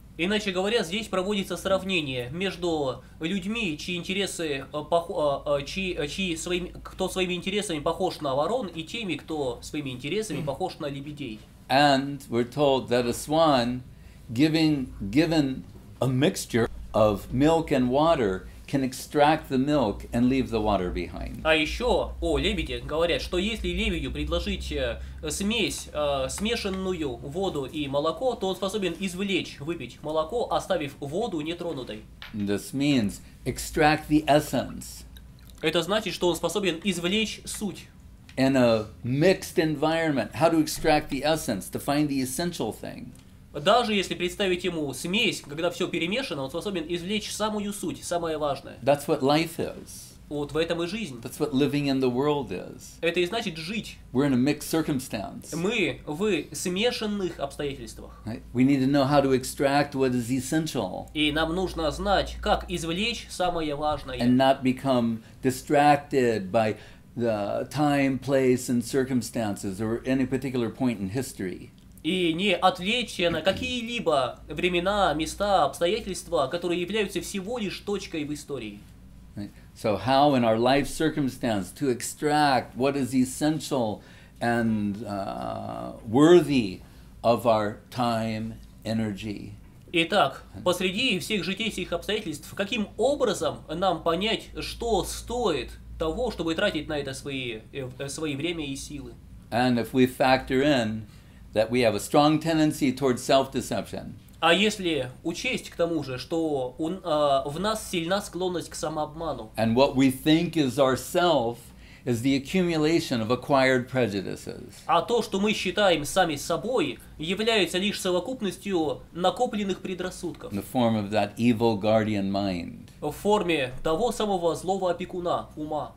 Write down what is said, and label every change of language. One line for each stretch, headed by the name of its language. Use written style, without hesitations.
Russian: Иначе говоря, здесь проводится сравнение между людьми, чьи интересы кто своими интересами похож на ворон, и теми, кто своими интересами похож на лебедей.
English: And we're told that a swan, given a mixture of milk and water, can extract the milk and leave the water behind.
Russian: А еще о лебеде говорят, что если лебедю предложить смесь, смешанную воду и молоко, то он способен извлечь, выпить молоко, оставив воду нетронутой.
English: This means extract the essence.
Russian: Это значит, что он способен извлечь суть.
English: In a mixed environment, how to extract the essence, to find the essential thing.
Russian: Даже если представить ему смесь, когда все перемешано, он способен извлечь самую суть, самое важное.
English: That's what life is.
Russian: Вот в этом и жизнь.
English: That's what living in the world is.
Russian: Это и значит жить.
English: We're in a mixed circumstance.
Russian: Мы в смешанных обстоятельствах.
English: Right? We need to know how to extract what is essential.
Russian: И нам нужно знать, как извлечь самое важное.
English: And not become distracted by the time, place and circumstances or any particular point in history.
Russian: И не отвлечься на какие-либо времена, места, обстоятельства, которые являются всего лишь точкой в истории.
English: Right. So how in our life circumstance to extract what is essential and worthy of our time, energy.
Russian: Итак, посреди всех житейских обстоятельств, каким образом нам понять, что стоит того, чтобы тратить на это свои время и силы?
English: And if we factor in that we have a strong tendency towards self-deception.
Russian: А если учесть к тому же, что в нас сильна склонность к самообману.
English: And what we think is ourself is the accumulation of acquired prejudices.
Russian: А то, что мы считаем сами собой, является лишь совокупностью накопленных предрассудков.
English: In the form of that evil guardian mind.
Russian: В форме того самого злого опекуна, ума.